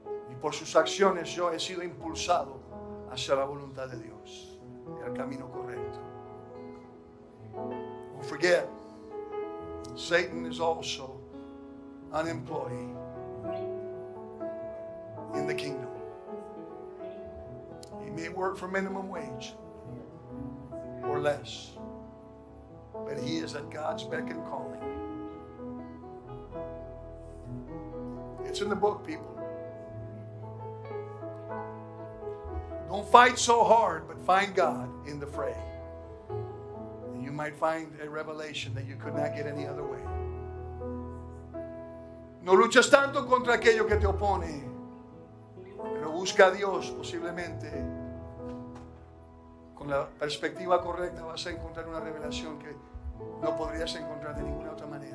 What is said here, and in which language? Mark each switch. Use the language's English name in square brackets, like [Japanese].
[Spanish] Y por sus acciones yo he sido impulsado hacia la voluntad de Dios y al camino correcto. [English] Don't forget, Satan is also an employee in the kingdom. He may work for minimum wage or less, but he is at God's beck and calling. It's in the book, people. Don't fight so hard, but find God in the fray. And you might find a revelation that you could not get any other way. [Spanish] No luchas tanto contra aquello que te opone, pero busca a Dios. Posiblemente, con la perspectiva correcta, vas a encontrar una revelación que no podrías encontrar de ninguna otra manera.